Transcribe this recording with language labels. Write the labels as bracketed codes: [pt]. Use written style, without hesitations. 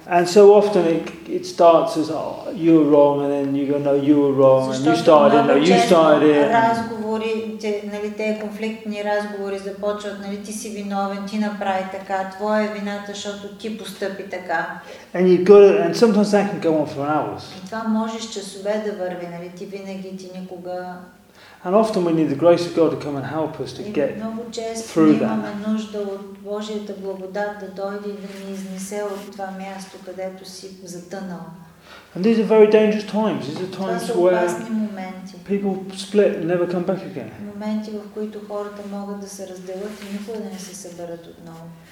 [en] And so often it starts as, oh, you were wrong, and then you go, no, you were wrong, and you started it, no, you started it. [bg] Разговори, нали, те конфликтни разговори започват, нали, ти си виновен, ти направи така, твоя е вината, защото ти постъпи така. [en] And you've got to, and sometimes that can go on for hours. [bg] И това можеш часове да върви, нали, ти винаги, ти никога. [en] And often we need the grace of God to come and help us to get through that. [bg] Имаме нужда от Божията благодат да дойде и да ни изнесе от това място, където си затънал. [en] And these are very dangerous times. These are times where [bg] моменти. [en] People split and never come back again. [bg] Моменти, в които хората могат да се разделят и никога да не се съберат отново.